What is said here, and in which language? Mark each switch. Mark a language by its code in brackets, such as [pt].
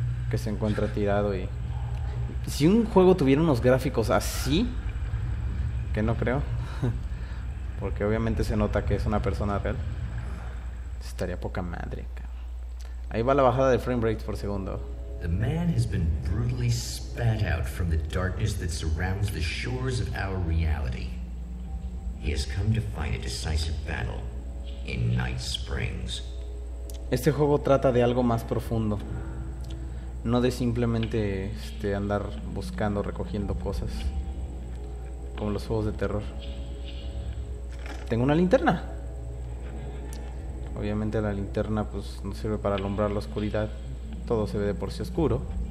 [es] Que se encuentra tirado y... Si un juego tuviera unos gráficos así, que no creo, porque obviamente se nota que es una persona real, estaría poca madre. Ahí va la bajada de frame rate por segundo. [en] The man has been brutally spat out from the darkness that surrounds the shores of our reality. He has come to fight a decisive battle in Night Springs. [es] Este juego trata de algo más profundo. No de simplemente andar buscando, recogiendo cosas. Como los juegos de terror. Tengo una linterna. Obviamente la linterna pues no sirve para alumbrar la oscuridad. Todo se ve de por sí oscuro.